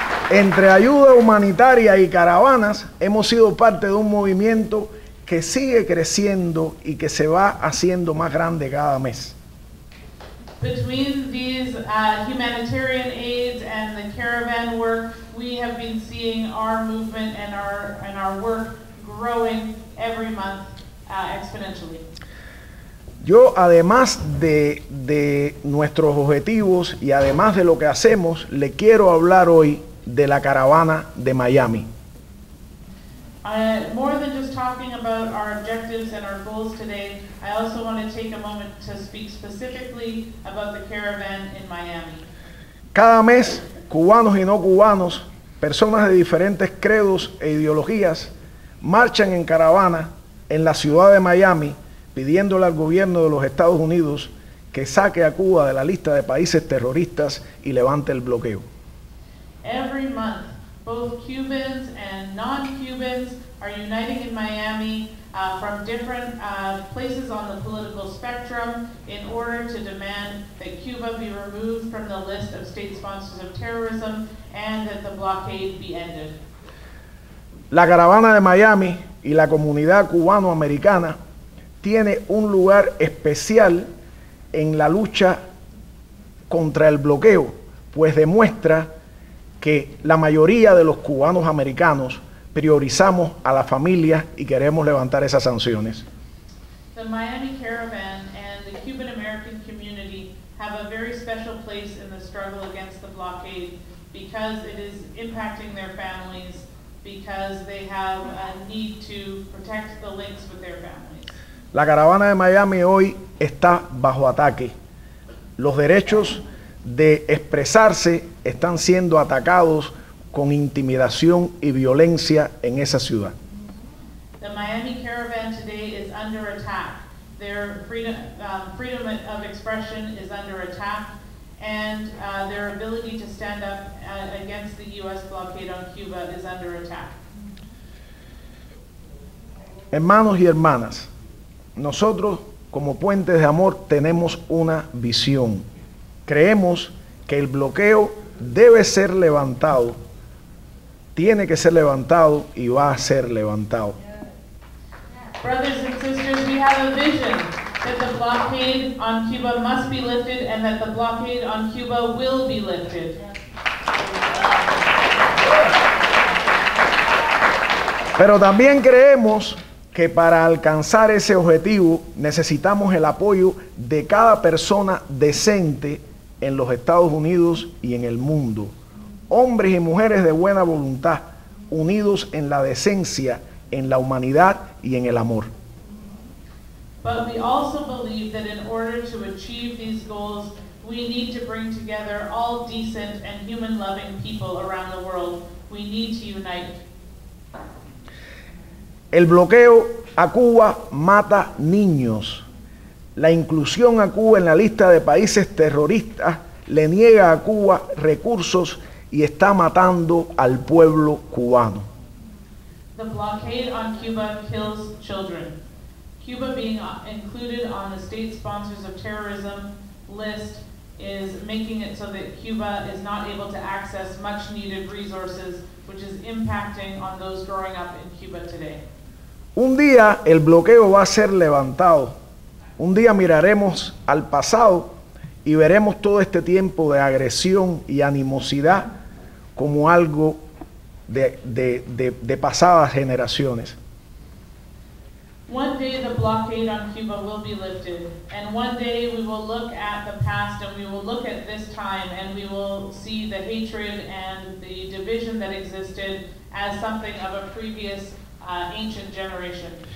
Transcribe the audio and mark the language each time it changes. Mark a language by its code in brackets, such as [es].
[es] Entre ayuda humanitaria y caravanas, hemos sido parte de un movimiento que sigue creciendo y que se va haciendo más grande cada mes. [en] Between these humanitarian aids and the caravan work, we have been seeing our movement and our work growing every month exponentially. [es] Yo, además de nuestros objetivos y además de lo que hacemos, le quiero hablar hoy de la caravana de Miami. [en] More than just talking about our objectives and our goals today, I also want to take a moment to speak specifically about the caravan in Miami. [es] Cada mes, cubanos y no cubanos, personas de diferentes credos e ideologías, marchan en caravana en la ciudad de Miami, pidiéndole al gobierno de los Estados Unidos que saque a Cuba de la lista de países terroristas y levante el bloqueo. [en] Every month, both Cubans and non-Cubans are uniting in Miami from different places on the political spectrum in order to demand that Cuba be removed from the list of state sponsors of terrorism and that the blockade be ended. [es] La caravana de Miami y la comunidad cubano-americana tiene un lugar especial en la lucha contra el bloqueo, pues demuestra que la mayoría de los cubanos americanos priorizamos a la familia y queremos levantar esas sanciones. [en] The Miami caravan and the Cuban American community have a very special place in the struggle against the blockade because it is impacting their families, because they have a need to protect the links with their families. [es] La caravana de Miami hoy está bajo ataque. Los derechos de expresarse están siendo atacados con intimidación y violencia en esa ciudad. [en] The Miami caravan today is under attack. Their freedom of expression is under attack, and their ability to stand up against the U.S. blockade on Cuba is under attack. [es] Hermanos y hermanas, nosotros como Puentes de Amor tenemos una visión. Creemos que el bloqueo debe ser levantado, tiene que ser levantado y va a ser levantado. [en] Brothers and sisters, we have a vision that the blockade on Cuba must be lifted and that the blockade on Cuba will be lifted. [es] Pero también creemos que para alcanzar ese objetivo necesitamos el apoyo de cada persona decente en los Estados Unidos y en el mundo. Hombres y mujeres de buena voluntad, unidos en la decencia, en la humanidad y en el amor. [en] But we also believe that in order to achieve these goals, we need to bring together all decent and human-loving people around the world. We need to unite. [es] El bloqueo a Cuba mata niños. La inclusión a Cuba en la lista de países terroristas le niega a Cuba recursos y está matando al pueblo cubano. [en] The blockade on Cuba kills children. Cuba being included on the state sponsors of terrorism list is making it so that Cuba is not able to access much needed resources, which is impacting on those growing up in Cuba today. [es] Un día el bloqueo va a ser levantado. Un día miraremos al pasado y veremos todo este tiempo de agresión y animosidad como algo de pasadas generaciones. [en] One day the blockade on Cuba will be lifted, and one day we will look at the past and we will look at this time and we will see the hatred and the division that existed as something of a previous ancient generation.